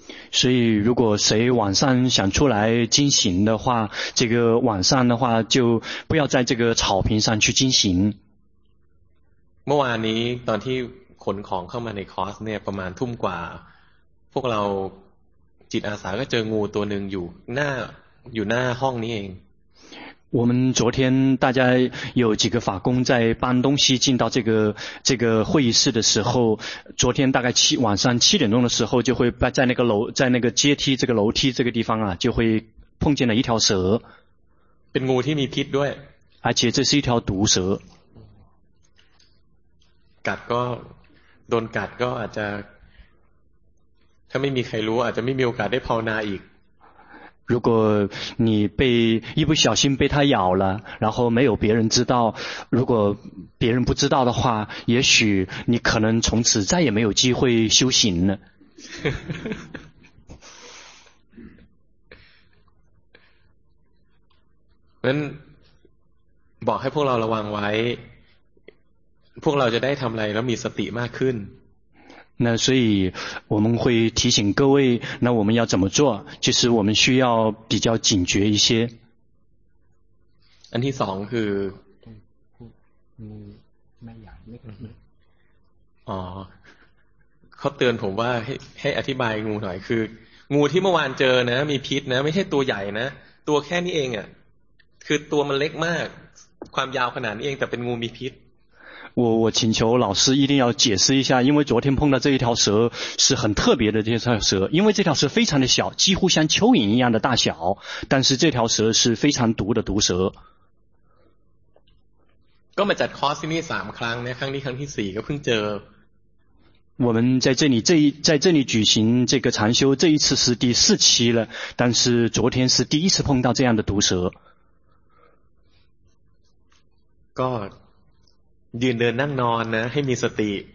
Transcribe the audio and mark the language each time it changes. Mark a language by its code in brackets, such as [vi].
[zh] 所以如果谁晚上想出来进行的话这个晚上的话就不要在这个草坪上去进行 [th] เมื่อวานนี้ตอนที่ขนของเข้ามาในคอร์สเนี่ยประมาณทุ่มกว่าพวกเราจิตอาสาก็เจองูตัวหนึ่งอยู่หน้าห้องนี้เอง [zh] 我们昨天大家有几个法工在搬东西进到这个会议室的时候，昨天大概晚上七点钟的时候，就会在那个楼在那个阶梯这个楼梯这个地方啊，就会碰见了一条蛇。 [th] เป็นงูที่มีพิษด้วย。 [zh] 而且这是一条毒蛇。 [th] กัดก็โดนกัดก็อาจจะถ้าไม่มีใครรู้อาจจะไม่มีโอกาสได้ภาวนาอีก。 [zh] 如果你被一不小心被它咬了，然后没有别人知道，如果别人不知道的话，也许你可能从此再也没有机会修行了。呵呵呵。那， [th] บอกให้พวกเราระวังไว้พวกเราจะได้ทำอะไรแล้วมีสติมากขึ้น [zh] 那所以我们会提醒各位，那我们要怎么做？就是我们需要比较警觉一些。 [th] อันที่สองคือ เขาเตือนผมว่าให้อธิบายงูหน่อยคืองูที่เมื่อวานเจอนะมีพิษนะไม่ใช่ตัวใหญ่นะตัวแค่นี้เองอ่ะคือตัวมันเล็กมากความยาวขนาดนี้เองแต่เป็นงูมีพิษ [zh] 我请求老师一定要解释一下，因为昨天碰到这一条蛇是很特别的这条蛇，因为这条蛇非常的小，几乎像蚯蚓一样的大小，但是这条蛇是非常毒的毒蛇。 [th] ก็มาจัดคอร์สที่นี่สามครั้งนะครั้งที่สี่ก็เพิ่งเจ อ。 [zh] 我们在这里在这里举行这个禅修，这一次是第四期了，但是昨天是第一次碰到这样的毒蛇。 [en] God。 [th] ยืนเดินนั่งนอนนะให้มีสติ